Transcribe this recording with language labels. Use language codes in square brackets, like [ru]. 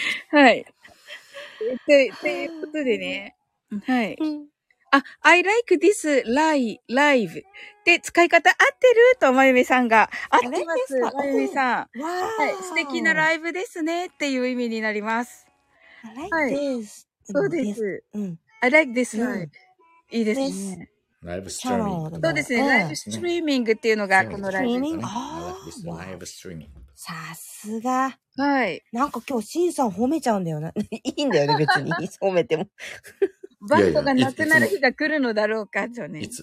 [ja] はい。はい。ということでね。はい。あ、 [en] I like this live. [ja] で、使い方合ってる?と、まゆみさんが。合ってます。まゆみさん、わ、はい。素敵なライブですね。っていう意味になります。 [en] I like this.、 [ja] はい、そうです。うん、 [en] I like this live. [ja] いいですね。 [en] This. [ja] ライブストリーミング。そうですね。ライブストリーミングっていうのが、このライブ。ライブストリーミング。さすが。はい。なんか今日、シンさん褒めちゃうんだよな。いいんだよね、別に。褒めても。バットがなくなる日が来るのだろうか、とね。